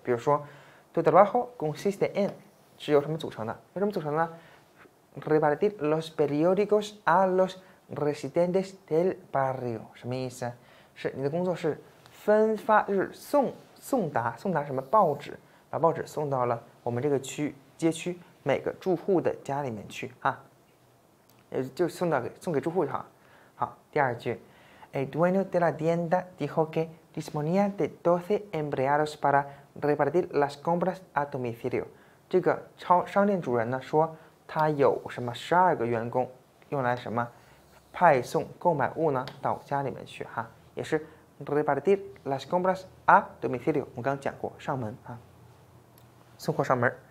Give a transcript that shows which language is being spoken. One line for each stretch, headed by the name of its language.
Chinese: 比如说
Spanish: tu trabajo consiste en
Chinese: 是由什么组成的，由什么组成的呢，
Spanish: repartir los periódicos a los residentes del barrio，
Chinese: 什么意思，是你的工作是分发，就是送达什么报纸，把报纸送到了我们这个区街区每个住户的家里面去啊，就送给住户就好。好，第二句
Spanish: El dueño de la tienda dijo que disponía de 12 empleados para repartir las compras a domicilio。
Chinese: 这个商店主人呢说他有什么12个员工用来什么派送购买物呢到家里面去哈，也是
Spanish: repartir las compras a domicilio，
Chinese: 我刚讲过上门啊，送货上门。